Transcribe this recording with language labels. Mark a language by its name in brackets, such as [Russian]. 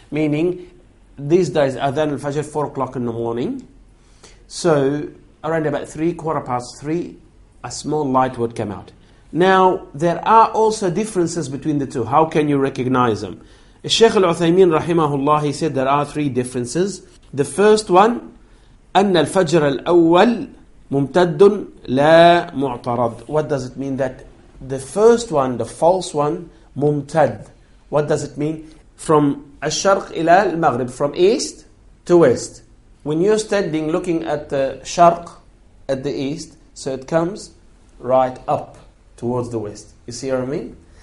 [English] Meaning, these days, Adhan al-Fajr, 4 o'clock in the morning. So, around about 3, quarter past 3, a small light would come out. Now, there are also differences between the two. How can you recognize them? الشيخ العثيمين رحمه الله, he said there are three differences. The first one, [Arabic] أن الفجر الأول ممتد لا معترض. [English] What does it mean that the first one, the false one, ممتد? What does it mean? From [Arabic] الشرق إلى المغرب, [English] from east to west. When you're standing looking at the شرق, at the east, so it comes right up towards the west. You see what I mean?